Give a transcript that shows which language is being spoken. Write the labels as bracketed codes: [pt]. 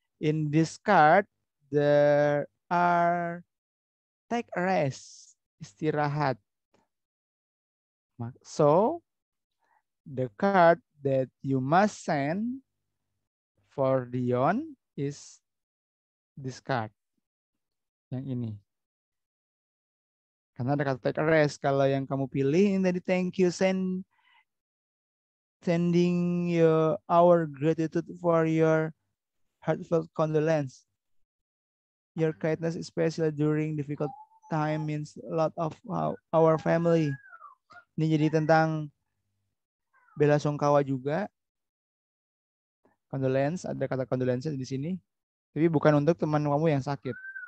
[en] In this card, there are take a rest. Istirahat. So, the card that you must send for Dion is this card. [id] Yang ini. Karena ada kata take a rest. Kalau yang kamu pilih ini tadi, thank you send. [en] Sending you our gratitude for your heartfelt condolence. Your kindness, especially during difficult time, means a lot of our family. [id] Ini jadi tentang bela sungkawa juga. Condolence, ada kata condolence di sini. Tapi bukan untuk teman kamu yang sakit.